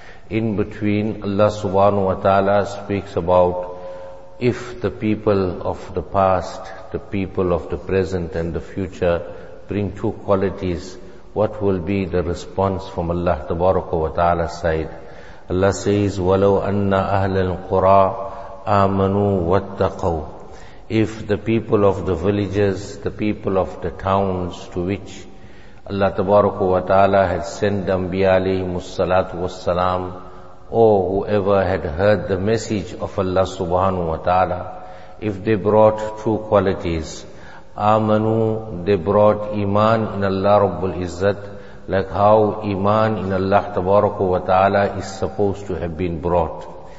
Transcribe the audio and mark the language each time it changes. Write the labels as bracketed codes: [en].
[en] In between, Allah subhanahu wa ta'ala speaks about if the people of the past, the people of the present and the future bring two qualities, what will be the response from Allah tabaraka wa ta'ala's side. Allah says, [ar] وَلَوْ أَنَّ أَهْلَ الْقُرَىٰ آمَنُوا وَاتَّقَوْا. [en] If the people of the villages, the people of the towns to which Allah tabaraka wa ta'ala had sent the Anbiya alayhimu salatu wassalam, or whoever had heard the message of Allah subhanahu wa ta'ala, if they brought two qualities, آمَنُوا, they brought iman in Allah Rabbul Izzat, like how iman in Allah tabaraka wa ta'ala is supposed to have been brought.